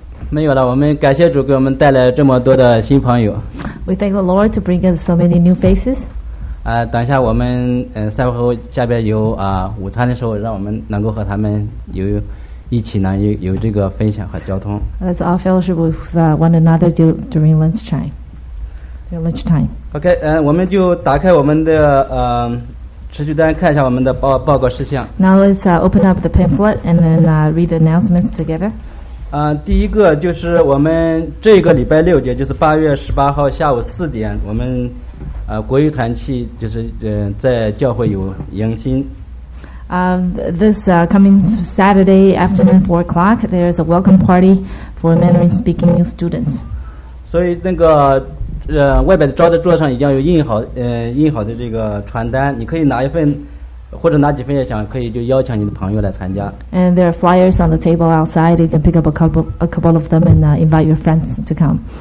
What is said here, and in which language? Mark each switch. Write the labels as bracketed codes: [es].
[zh] 没有了，我们感谢主给我们带来这么多的新朋友。 [en] We thank the Lord to bring us so many new faces. [zh] 等一下我们散会后下边有午餐的时候，让我们能够和他们有一起呢有有这个分享和交通。 [en] Let's all fellowship with one another during lunchtime. [zh] OK, 我们就打开我们的持续单，看一下我们的报告事项。 [en] Now let's open up the pamphlet and then read the announcements together. [zh] 第一个就是我们这个礼拜六，也就是8月18号下午4点，我们国语团契就是在教会有迎新。 [en] This coming Saturday afternoon 4 o'clock, there is a welcome party for Mandarin speaking new students. [zh] 所以那个外边的招待桌上已经有印好的这个传单，你可以拿一份或者拿几份也行，可以就邀请你的朋友来参加。 [en] And there are flyers on the table outside. You can pick up a couple of them and invite your friends to come.